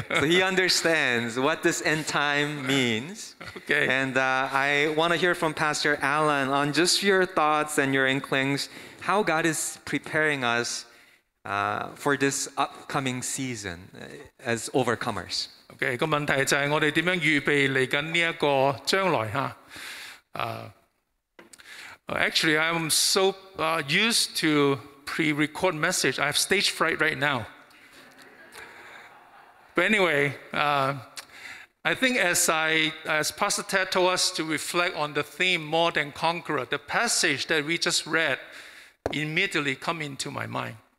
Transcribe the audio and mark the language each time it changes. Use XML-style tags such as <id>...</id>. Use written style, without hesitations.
<en>So he understands what this end time means. Okay. And I want to hear from Pastor Alan on just your thoughts and your inklings, how God is preparing us for this upcoming season as overcomers. Okay.</en> <zh>个问题就是我们怎样预备来这个将来, huh?</zh> <en>Actually, I'm so used to pre-record message. I have stage fright right now. But anyway, I think as Pastor Ted told us to reflect on the theme More Than Conqueror, the passage that we just read immediately come into my mind.</en>